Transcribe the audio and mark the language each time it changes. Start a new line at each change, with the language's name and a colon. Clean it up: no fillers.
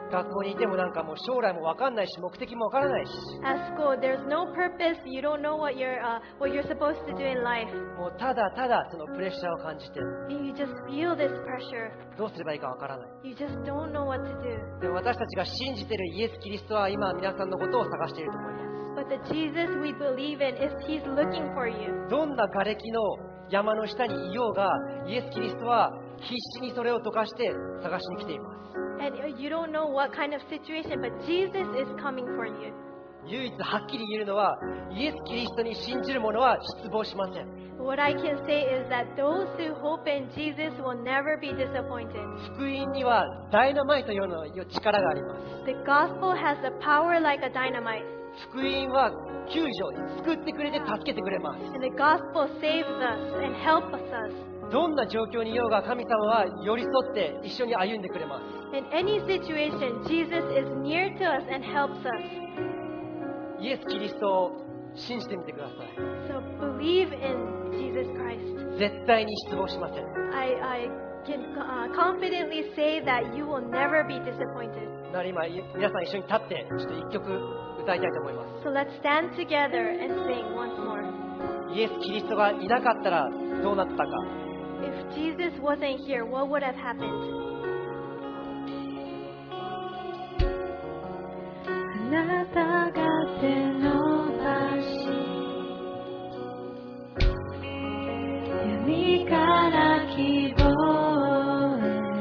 Japanese: 学校にいてもなんかもう将来もわかんないし、目的もわからないし。
English: At school, there's no purpose. You don't know what you're supposed to do in life.
Japanese: もうただただそのプレッシャーを感じて。
English: You just feel this pressure.
Japanese: どうすればいいかわからない。
English: You just don't know what to do.
Japanese: でも私たちが信じているイエス・キリストは今皆さんのことを探していると思います。
English: But the Jesus we believe in is He's looking for you.
Japanese: どんな瓦礫の山の下にいようが、イエス・キリストは必死にそれを溶かして探しに来ています。
English: And you don't know what kind of situation, but Jesus is coming for you.
Japanese: 唯一はっきり言えるのは、イエス・キリストに信じる者は失望しません。
English: What I can say is that those who hope in Jesus will never be disappointed.
Japanese: 福音にはダイナマイトのような力があります。
English: The gospel has a power like a dynamite.
Japanese: 福音は救助、救ってくれて助けてくれます。
English: And the gospel saves us and helps us.
Japanese: どんな状況にいようが神様は寄り添って一緒に歩んでくれます。
English: In any situation, Jesus is near to us and helps us.
Japanese: イエス・キリストを信じてみてください。
English: So believe in Jesus Christ.
Japanese: 絶対に失望しません。
English: I can confidently say that you will never be disappointed.
Japanese: なら今皆さん一緒に立ってちょっと一曲歌いたいと思います。
English: So let's stand together and sing once more.
Japanese: イエス・キリストがいなかったらどうなったか。
English: If Jesus wasn't here, what would have happened?
Japanese: あなたが手伸ばし、闇から希望へ。